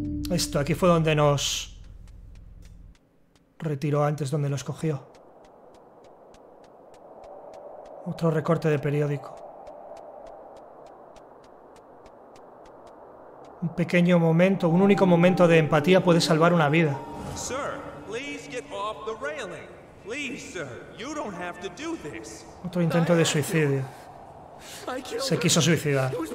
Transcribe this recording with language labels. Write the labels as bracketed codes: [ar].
[es] Esto, aquí fue donde nos retiró antes, donde nos cogió. Otro recorte de periódico. Un pequeño momento, un único momento de empatía puede salvar una vida. [en] Sir, please get off the railing. Please, sir, you don't have to do this. [es] Otro intento de suicidio. Se quiso suicidar.